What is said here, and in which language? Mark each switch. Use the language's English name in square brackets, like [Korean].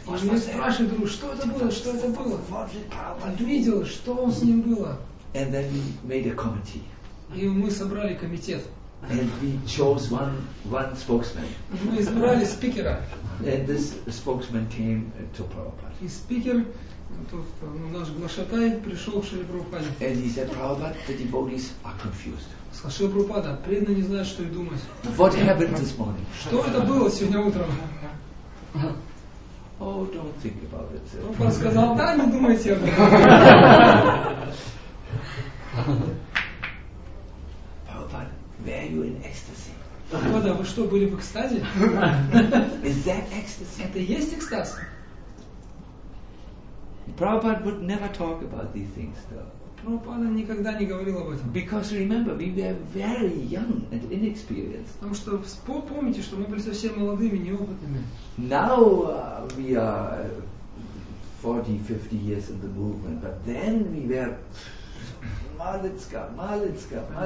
[Russian] И мы спрашиваем друг, что это было, что это было? Он видел, что с ним было. [English] And then we made a committee. [Russian] И мы собрали комитет. [English] And we chose one spokesman. [Russian] Мы избрали спикера. [English] And this spokesman came to Prabhupada. [Russian] И спикер, наш глашатай, пришел к Шриле Прабхупаде. [English] And he said, Prabhupada, the devotees are confused. [Russian] Сказал Шриле Прабхупада, преданные не знают, что и думать. [English] What happened this morning? [Russian] Что это было сегодня утром? [English] Oh, don't think about it. [Russian] Прабхупада сказал, да, не думайте об этом. [English] Prabhupada, were you in ecstasy? [Russian] Прабхупада, вы что, были в экстазе? [English] Is that ecstasy? [Russian] Это есть экстаз? [English] Prabhupada would never talk about these things, though. [Russian] Прабхупада никогда не говорил об этом. [English] Because remember, we were very young and inexperienced. [Russian] Потому что помните, что мы были совсем молодыми, неопытными. [English] Now we are 40-50 years in the movement, but then we were [Russian] Малецка, Малинка.